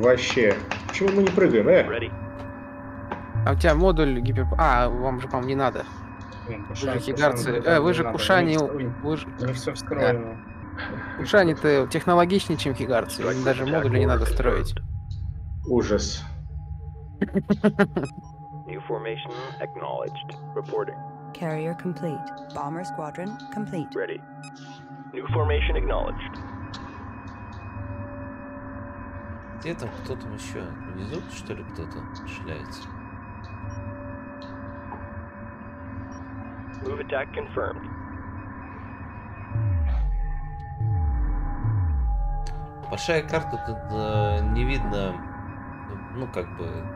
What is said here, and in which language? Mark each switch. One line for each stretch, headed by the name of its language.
Russian: Вообще, почему мы не прыгаем, А у тебя модуль гипер... А, вам же, по-моему, не надо. Вы же хигарцы... вы же Кушани... Не все встроено. Кушани-то технологичнее, чем хигарцы. Даже модуль не надо строить. Ужас.
English: New formation acknowledged. Reporting. Carrier complete. Bomber squadron complete. Ready. New formation acknowledged.
Russian: Где там кто там еще? Внизу, что ли, кто-то шляется?
English: Move attack confirmed.
Russian: Большая карта, тут не видно. Ну, как бы.